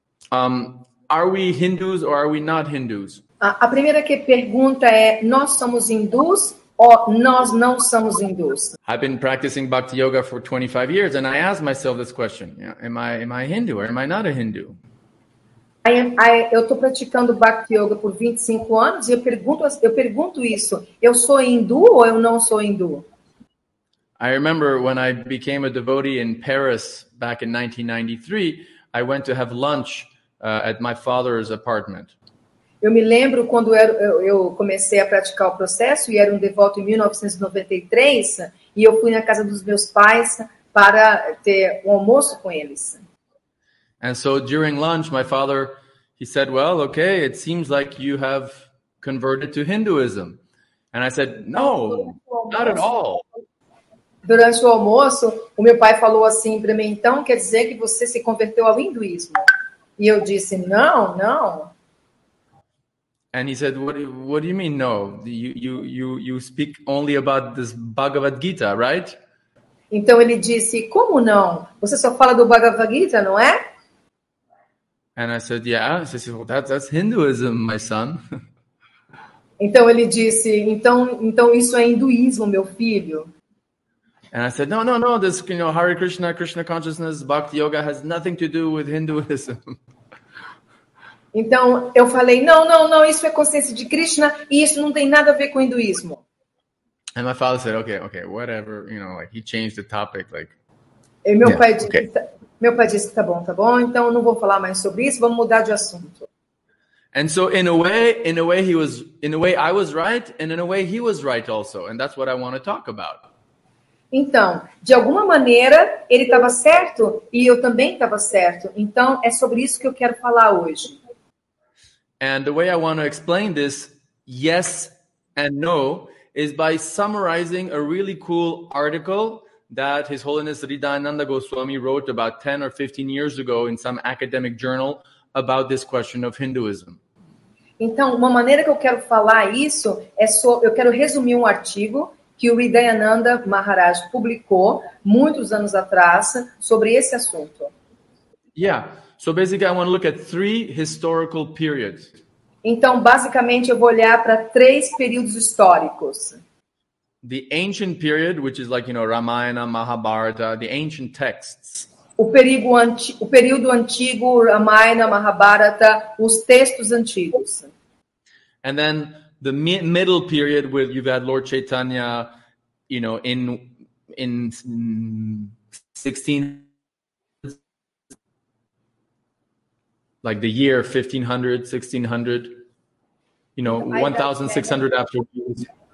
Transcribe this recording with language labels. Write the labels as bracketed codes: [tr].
[en] Are we Hindus or are we not Hindus? [pt] A primeira que pergunta é: nós somos hindus ou nós não somos hindus? [en] I've been practicing bhakti yoga for 25 years and I ask myself this question. Am I Hindu or am I not a Hindu? [pt] Eu estou praticando Bhakti Yoga por 25 anos e eu pergunto isso. Eu sou hindu ou eu não sou hindu? [en] I remember when I became a devotee in Paris back in 1993, I went to have lunch at my father's apartment. [pt] Eu me lembro quando eu comecei a praticar o processo e era um devoto em 1993 e eu fui na casa dos meus pais para ter um almoço com eles. [en] And so during lunch, my father, he said, well, okay, it seems like you have converted to Hinduism. And I said, no, not at all. [pt] Durante o almoço, o meu pai falou assim para mim, então quer dizer que você se converteu ao hinduísmo? E eu disse, não, não. [en] And he said, what do you mean, no? You speak only about this Bhagavad Gita, right? [pt] Então ele disse, como não? Você só fala do Bhagavad Gita, não é? [en] And I said, yeah. He said, well, that's Hinduism, my son. [pt] Então ele disse, então isso é hinduísmo, meu filho. [en] And I said, no, this, you know, Hare Krishna, Krishna consciousness, Bhakti Yoga has nothing to do with Hinduism. [pt] Então eu falei, não, isso é consciência de Krishna e isso não tem nada a ver com hinduísmo. [en] And my father said, okay, whatever, you know, like he changed the topic, like. [pt] E meu pai disse, okay. Meu pai disse que tá bom, então não vou falar mais sobre isso, vamos mudar de assunto. [en] And so in a way he was, in a way I was right, and in a way he was right also, and that's what I want to talk about. [pt] Então, de alguma maneira, ele estava certo e eu também estava certo. Então, é sobre isso que eu quero falar hoje. [en] And the way I want to explain this, yes and no, is by summarizing a really cool article that His Holiness Ridhananda Goswami wrote about 10 or 15 years ago in some academic journal about this question of Hinduism. [pt] Então, uma maneira que eu quero falar isso é só, eu quero resumir um artigo que o Ridhananda Maharaj publicou muitos anos atrás sobre esse assunto. [en] Yeah, so basically I want to look at three historical periods. [pt] Então, basicamente, eu vou olhar para três períodos históricos. [en] The ancient period, which is like, you know, Ramayana, Mahabharata, the ancient texts. [pt] O período antigo, Ramayana, Mahabharata, os textos antigos. [en] And then the middle period where you've had Lord Chaitanya, you know, in 1600, like the year 1500, 1600, you know, 1600 after Jesus.